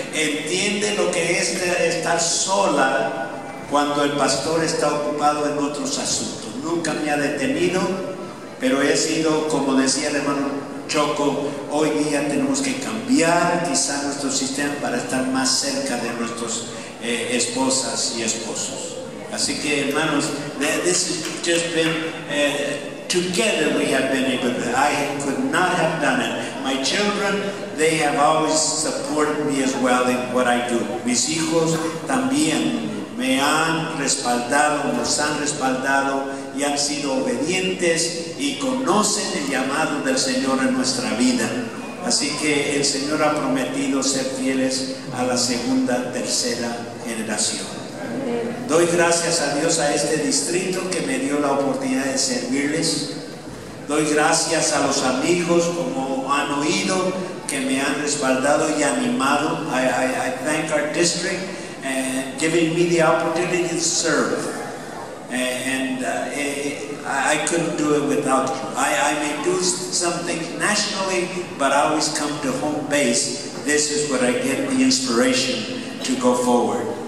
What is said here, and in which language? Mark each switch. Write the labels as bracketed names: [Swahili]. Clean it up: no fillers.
[Spanish] Entiende lo que es estar sola cuando el pastor está ocupado en otros asuntos. Nunca me ha detenido, pero he sido, como decía el hermano Choco, hoy día tenemos que cambiar quizá nuestro sistema para estar más cerca de nuestros esposas y esposos. Así que, hermanos, [English] this has just been, together we have been able to, I could not have done it. My children, they have always supported me as well in what I do. [Spanish] Mis hijos también me han respaldado, nos han respaldado y han sido obedientes y conocen el llamado del Señor en nuestra vida. Así que el Señor ha prometido ser fieles a la segunda, tercera generación. Doy gracias a Dios a este distrito que me dio la oportunidad de servirles. Doy gracias a los amigos, como han oído, que me han respaldado y animado. [English] I thank our district and giving me the opportunity to serve. And I couldn't do it without you. I may do something nationally, but I always come to home base. This is where I get the inspiration to go forward.